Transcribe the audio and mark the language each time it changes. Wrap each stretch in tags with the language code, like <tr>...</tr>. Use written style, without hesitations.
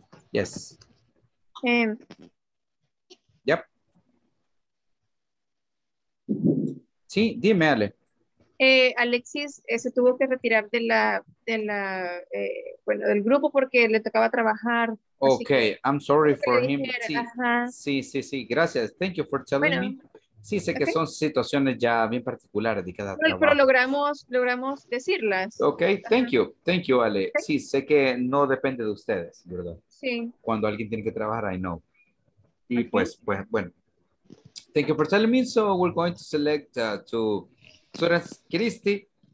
<en>Yes. Yep.</en> <es>Sí, dime, Ale. Alexis se tuvo que retirar del grupo porque le tocaba trabajar.</es> <en>Okay, I'm sorry for him.</en> <es>Sí, gracias.</es> <en>Thank you for telling me.</en> <es>Sí, sé que okay. Son situaciones ya bien particulares de cada trabajo. Pero logramos decirlas.</es> <en>Ok, thank you, Ale. Okay.</en> <es>Sí, sé que no depende de ustedes, ¿verdad? Sí. Cuando alguien tiene que trabajar,</es> <en>I know.</en> <es>Y okay. pues, bueno.</es> <en>Thank you for telling me, so we're going to select to students, Christy.</en>